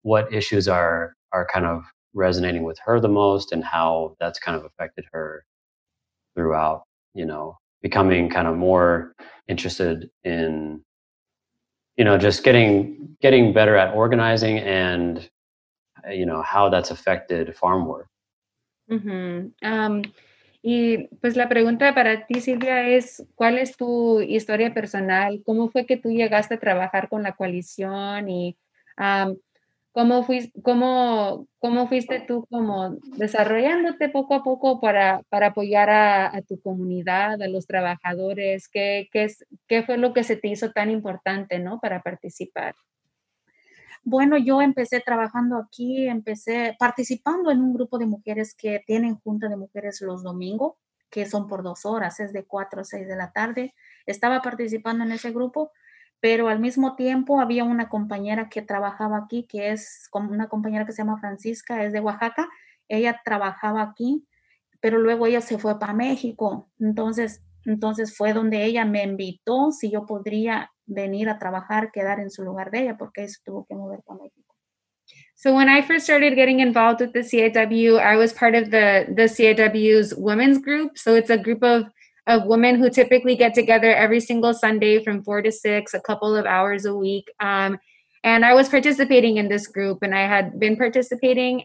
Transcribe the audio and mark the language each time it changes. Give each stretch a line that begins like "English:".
English: issues are kind of resonating with her the most, and how that's kind of affected her throughout, you know, becoming kind of more interested in, you know, just getting better at organizing, and you know, how that's affected farm work. Mm-hmm.
Spanish: Y pues la pregunta para ti, Silvia, es ¿cuál es tu historia personal? ¿Cómo fue que tú llegaste a trabajar con la coalición? Y ¿cómo fuiste tú como desarrollándote poco a poco para apoyar a tu comunidad, a los trabajadores? ¿Qué fue lo que se te hizo tan importante, ¿no?, para participar? Bueno, yo empecé trabajando aquí, empecé participando en un grupo de mujeres que tienen junta de mujeres los domingos, que son por 2 horas, es de 4 a 6 de la tarde. Estaba participando en ese grupo, pero al mismo tiempo había una compañera que trabajaba aquí, que es una compañera que se llama Francisca, es de Oaxaca, ella trabajaba aquí, pero luego ella se fue para México, entonces fue donde ella me invitó si yo podría venir a trabajar, quedar en su lugar de ella, porque ella se tuvo que mover para México.
English: So when I first started getting involved with the CAW, I was part of the CAW's women's group. So it's a group of women who typically get together every single Sunday from 4 to 6, a couple of hours a week. And I was participating in this group, and I had been participating.